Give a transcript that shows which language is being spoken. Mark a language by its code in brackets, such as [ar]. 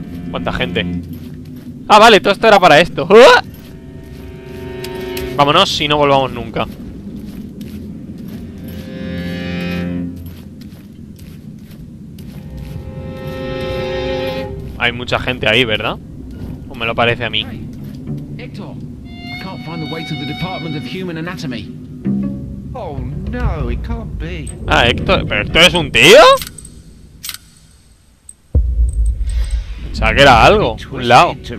[es] ¿Cuánta gente? Ah, vale, todo esto era para esto. Vámonos si no volvamos nunca. Hay mucha gente ahí, ¿verdad? O me lo parece a mí. [en] Hector, I can't find the way to the Department of Human Anatomy. Oh no, it can't be. [es] Ah, Hector, ¿pero esto es un tío? Pensaba que era algo, un lado.